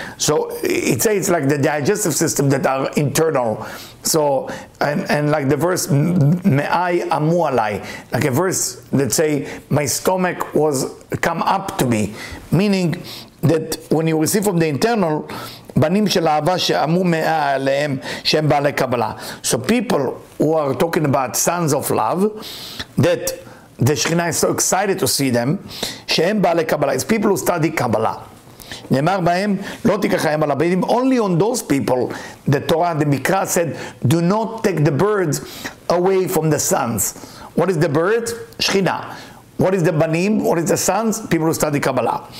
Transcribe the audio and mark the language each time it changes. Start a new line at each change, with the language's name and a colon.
English: So it says it's like the digestive system that are internal. So, and like the verse,
Hebrew: מעי עמו עליי.
English: Like a verse that say, my stomach was come up to me. Meaning that when you receive from the internal,
Hebrew: בנים של אהבה שעמו מעי עליהם, שהם בעלי קבלה.
English: So people who are talking about sons of love, that the Shekhinah is so excited to see them,
Hebrew: שהם בעלי קבלה,
English: it's people who study קבלה.
Hebrew: נאמר בהם, לא תיקחיהם על הבדים,
English: only on those people, the Torah, the Mikra said, do not take the birds away from the sons. What is the bird? Shekhinah. What is the banim? What is the sons? People who study קבלה.